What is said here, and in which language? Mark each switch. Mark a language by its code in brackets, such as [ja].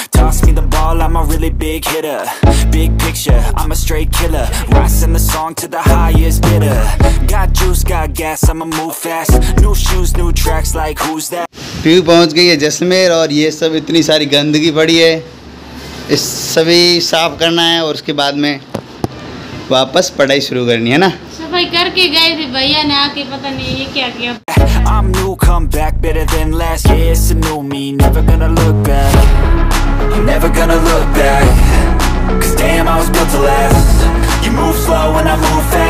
[en] Toss me the ball, I'm a really big hitter. Big picture, I'm a straight killer. Rising the song to the highest bidder. Got juice, got gas, I'ma move fast. New shoes, new tracks, like who's that? [hi] PU पहुंच गई है जैसलमेर और ये सब इतनी सारी गंदगी पड़ी है. इस सभी साफ करना है और उसके बाद में वापस पढ़ाई शुरू करनी है ना. सफाई करके गए थे भैया ने आके पता नहीं ये क्या किया. [en] I'm new, come back better than last. Yeah, it's a new me, never gonna look back. Never gonna look back. Cause damn, I was built to last. You move slow and I move fast.